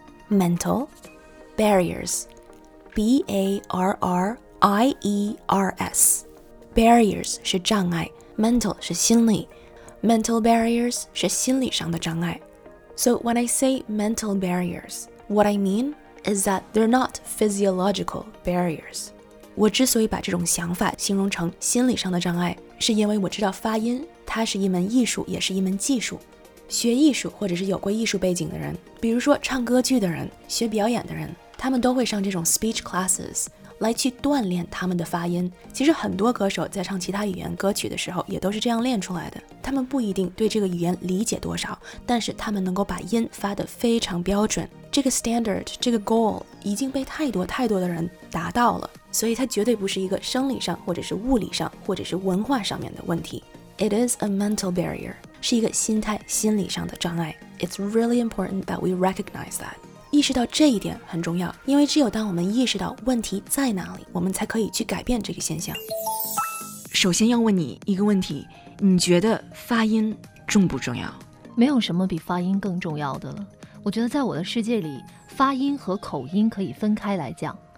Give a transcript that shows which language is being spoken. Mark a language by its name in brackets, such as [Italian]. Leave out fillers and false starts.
[English] Mental barriers. B-A-R-R-I-E-R-S. Barriers [Chinese] 是障碍 Mental 是心理 Mental barriers 是心理上的障碍 [English] So when I say mental barriers, what I mean is that they're not physiological barriers. [Chinese] 我之所以把这种想法形容成心理上的障碍，是因为我知道发音，它是一门艺术，也是一门技术。学艺术或者是有过艺术背景的人，比如说唱歌剧的人，学表演的人，他们都会上这种 [English] speech classes [Chinese] 来去锻炼他们的发音。其实很多歌手在唱其他语言歌曲的时候，也都是这样练出来的。他们不一定对这个语言理解多少，但是他们能够把音发得非常标准。这个 standard， 这个 goal 已经被太多太多的人达到了。所以它绝对不是一个生理上或者是物理上或者是文化上面的问题。 [English] It is a mental barrier, [Chinese] 是一个心态心理上的障碍。 [English] It's really important that we recognize that. [Chinese] 意识到这一点很重要，因为只有当我们意识到问题在哪里，我们才可以去改变这个现象。首先要问你一个问题，你觉得发音重不重要？没有什么比发音更重要的了。我觉得在我的世界里，发音和口音可以分开来讲。